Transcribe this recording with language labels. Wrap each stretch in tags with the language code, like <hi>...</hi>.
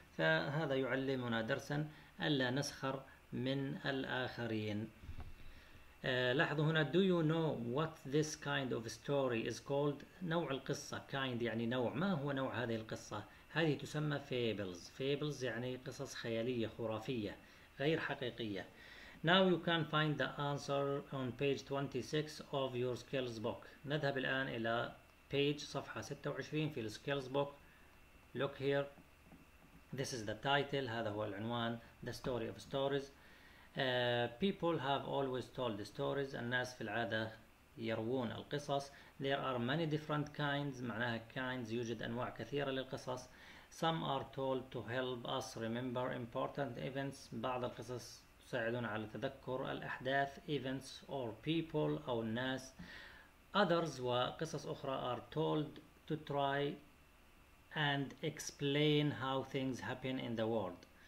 <ar>فهذا يعلمنا درسا ألا نسخر من الآخرين. لاحظوا هنا,</ar> <en>do you know what this kind of story is called?</en> <ar>نوع القصة, kind يعني نوع, ما هو نوع هذه القصة؟ هذه تسمى fables. Fables يعني قصص خيالية خرافية غير حقيقية.</ar> <en>Now you can find the answer on page 26 of your skills book.</en> <ar>نذهب الآن إلى page, صفحة 26 في</ar> <en>skills book. Look here. This is the title.</en> <ar>هذا هو العنوان.</ar> <en>The story of stories. People have always told stories.</en> <ar>الناس في العادة يروون القصص.</ar> <en>There are many different kinds. معناها kinds.</en> <ar>يوجد أنواع كثيرة للقصص.</ar> <en>Some are told to help us remember important events.</en> <ar>بعض القصص تساعدون على تذكر الأحداث.</ar> <en>Events or people</en> <ar>أو الناس.</ar> <en>Others</en> <ar>وقصص أخرى</ar> <en>are told to try and explain how things happen in the world.</en>